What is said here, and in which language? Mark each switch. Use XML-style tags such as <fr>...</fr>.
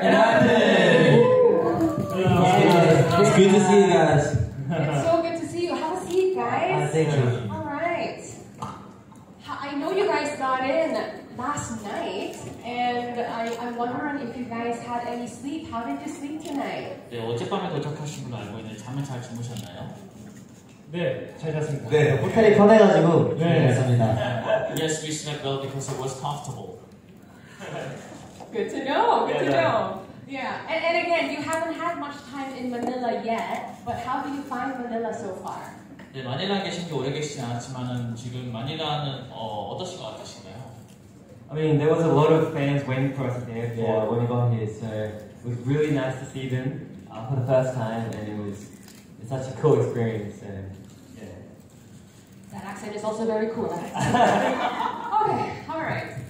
<en>Enhypen. It's good to see you guys. It's so good to see you. Have a seat, guys. Thank you. Alright. I know you guys got in last night, and I'm wondering if you guys had any sleep. How did you sleep tonight?</en> <ko>네, 어젯밤에 도착하신 분 알고 있는데 잠을 잘 주무셨나요? 네, 잘 잤습니다. 네, 호텔이 편해가지고 잤습니다. 네.</ko> <en>Yes, we slept well because it was comfortable. Good to know. Good to know. Yeah, and again, you haven't had much time in Manila yet, but how do you find Manila so far? 네, 마닐라에 계신 지 오래 계시지 않았지만은 지금 마닐라는 어떠신 것 같으신가요? I mean, there was a lot of fans waiting for us at the airport when we got here, so it was really nice to see them for the first time, and it's such a cool experience, so, That accent is also very cool. Okay, alright.</en>